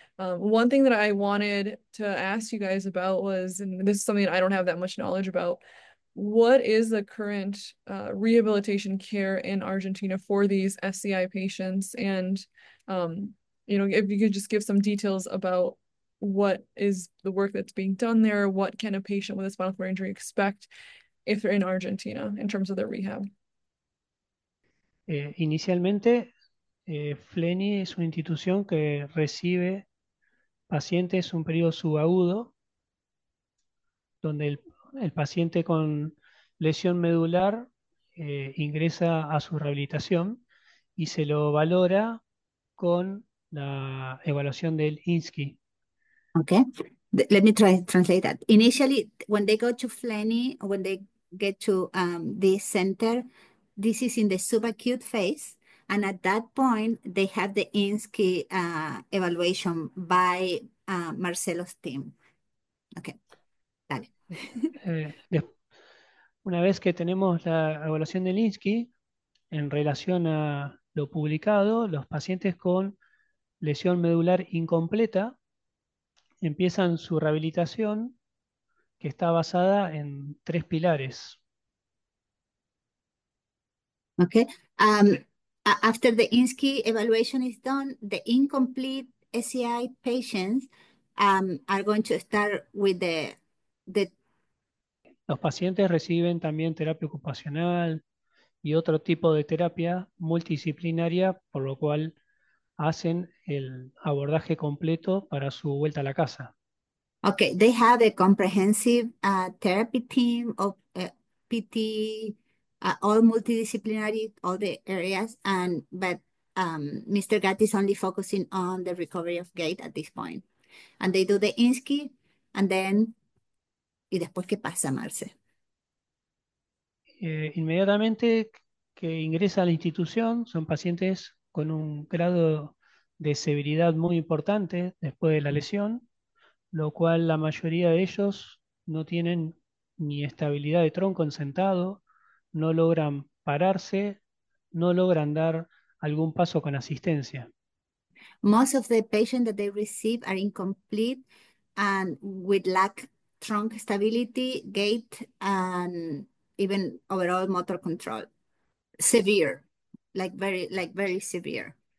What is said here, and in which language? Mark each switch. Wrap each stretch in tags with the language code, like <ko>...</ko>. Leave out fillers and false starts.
<en>One thing that I wanted to ask you guys about was, and this is something that I don't have that much knowledge about, what is the current rehabilitation care in Argentina for these SCI patients? And, you know, if you could just give some details about what is the work that's being done there, what can a patient with a spinal cord injury expect if they're in Argentina in terms of their rehab?</en> <es>Inicialmente, FLENI es una institución que recibe pacientes un periodo subagudo, donde el paciente con lesión medular ingresa a su rehabilitación y se lo valora con la evaluación del INSCI.</es> <en>Okay, let me try to translate that. Initially, when they go to FLENI, or when they get to this center, this is in the subacute phase. And at that point, they have the INSCI evaluation by Marcelo's team. Okay,</en> <es>dale. Una vez que tenemos la evaluación del INSCI en relación a lo publicado, los pacientes con lesión medular incompleta empiezan su rehabilitación, que está basada en tres pilares.</es> <en>Okay. After the INSCI evaluation is done, the incomplete SCI patients are going to start with the</en> <es>Los pacientes reciben también terapia ocupacional y otro tipo de terapia multidisciplinaria, por lo cual hacen el abordaje completo para su vuelta a la casa.</es> <en>Okay, they have a comprehensive therapy team of PT, all multidisciplinary, all the areas, but Mr. Gatt is only focusing on the recovery of gait at this point. And they do the INSCI, and then,</en> <es>y después, ¿qué pasa, Marce? Inmediatamente que ingresa a la institución, son pacientes con un grado de severidad muy importante después de la lesión, lo cual la mayoría de ellos no tienen ni estabilidad de tronco en sentado, no logran pararse, no logran dar algún paso con asistencia.</es> <en>Most of the patients that they receive are incomplete and with lack trunk stability, gait, and even overall motor control. Severe, like very severe.</en>